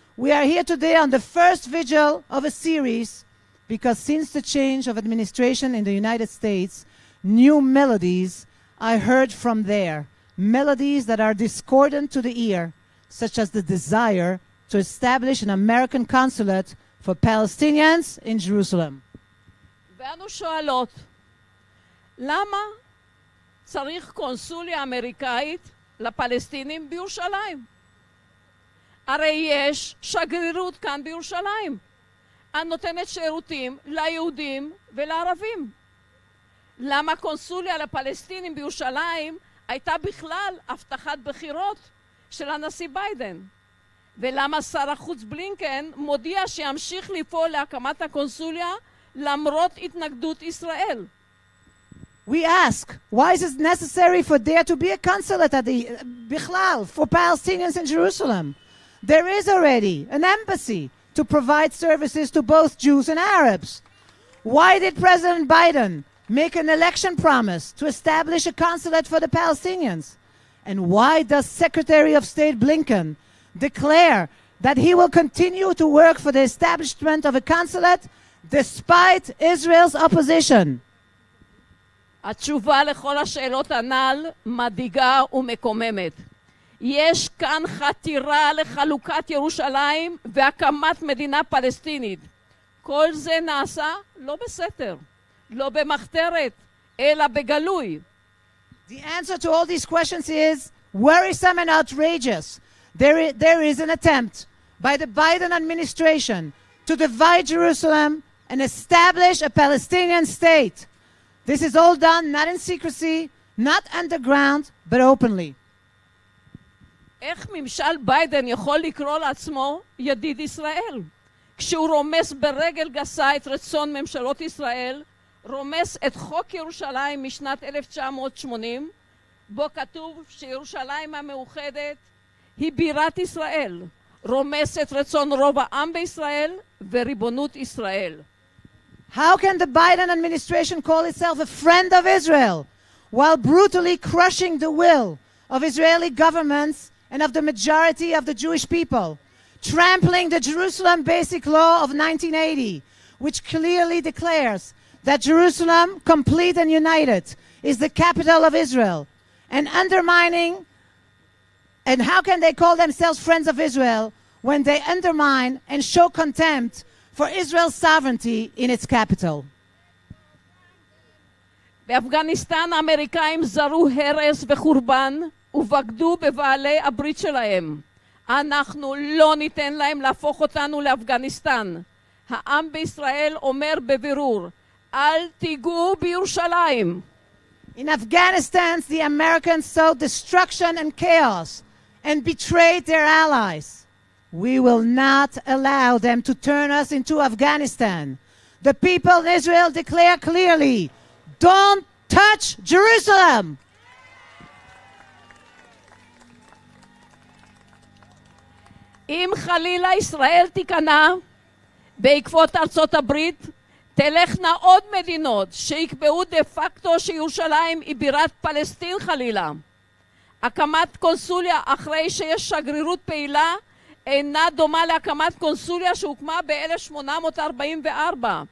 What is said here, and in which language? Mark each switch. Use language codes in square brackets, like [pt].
[en] We are here today on the first vigil of a series, because since the change of administration in the United States, new melodies I heard from there, melodies that are discordant to the ear, such as the desire to establish an American consulate for Palestinians in Jerusalem. [he] ואנו שואלות, למה צריך קונסוליה אמריקאית לפלסטינים בירושלים? הרי יש שגרירות כאן בירושלים, הנותנת שירותים ליהודים ולערבים. למה קונסוליה לפלסטינים בירושלים הייתה בכלל הבטחת בחירות של הנשיא ביידן? ולמה שר החוץ בלינקן מודיע שימשיך לפעול להקמת הקונסוליה למרות התנגדות ישראל? [en] We ask, why is it necessary for there to be a consulate at the [he] בכלל [en] for Palestinians in Jerusalem? There is already an embassy to provide services to both Jews and Arabs. Why did President Biden make an election promise to establish a consulate for the Palestinians? And why does Secretary of State Blinken declare that he will continue to work for the establishment of a consulate despite Israel's opposition? [he] התשובה לכל השאלות הנ"ל מדאיגה ומקוממת. יש כאן חתירה לחלוקת ירושלים והקמת מדינה פלסטינית. כל זה נעשה לא בסתר, לא במחתרת, אלא בגלוי. [en] The answer to all these questions is worrisome and outrageous. There is an attempt by the Biden administration to divide Jerusalem and establish a Palestinian state. This is all done not in secrecy, not underground, but openly. [he] איך ממשל ביידן יכול לקרוא לעצמו ידיד ישראל? כשהוא רומס ברגל גסה את רצון ממשלות ישראל, רומס את חוק ירושלים משנת 1980, בו כתוב שירושלים המאוחדת היא בירת ישראל, רומס את רצון רוב העם בישראל וריבונות ישראל. [en] How can the Biden administration call itself a friend of Israel while brutally crushing the will of Israeli governments and of the majority of the Jewish people, trampling the Jerusalem Basic Law of 1980, which clearly declares that Jerusalem, complete and united, is the capital of Israel, and undermining, and how can they call themselves friends of Israel when they undermine and show contempt for Israel's sovereignty in its capital? [he] באפגניסטן האמריקאים זרו הרס וחורבן ובגדו בבעלי הברית שלהם. אנחנו לא ניתן להם להפוך אותנו לאפגניסטן. העם בישראל אומר בבירור, אל תיגעו בירושלים. [en] In Afghanistan, the Americans sowed destruction and chaos and betrayed their allies. We will not allow them to turn us into Afghanistan. The people in Israel declare clearly, don't touch Jerusalem. [he] אם חלילה ישראל תיכנע בעקבות ארצות הברית, תלכנה עוד מדינות שיקבעו דה פקטו שירושלים היא בירת פלסטין חלילה. הקמת קונסוליה אחרי שיש שגרירות פעילה אינה דומה להקמת קונסוליה שהוקמה ב-1844.